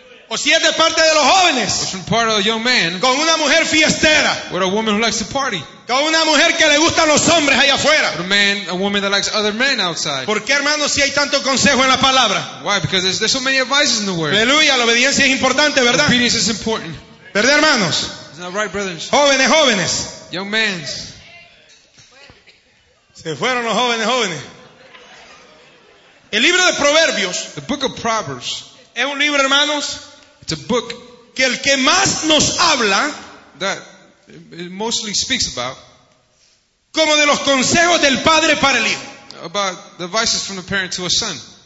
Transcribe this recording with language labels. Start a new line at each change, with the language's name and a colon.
Spanish: O si es de parte de los jóvenes,
English: or from part of the young man,
Spanish: con una mujer fiestera,
English: with a woman who likes to party,
Spanish: con una mujer que le gustan los hombres allá afuera,
English: with a woman that likes other men outside.
Spanish: ¿Por qué, hermanos, si hay tanto consejo en la palabra?
English: Why? Because there's so many advices in the word.
Spanish: Aleluya, la obediencia es importante, ¿verdad?
English: Obedience is important.
Spanish: ¿Verdad, hermanos?
English: Is that right, brothers?
Spanish: Jóvenes, jóvenes.
English: Young men.
Spanish: Se fueron los jóvenes, jóvenes. El libro de Proverbios,
English: the book of Proverbs,
Spanish: es un libro, hermanos,
English: it's a book,
Spanish: que el que más nos habla,
English: that it mostly speaks about,
Spanish: como de los consejos del padre para el hijo,
English: about the advices from the parent to a son.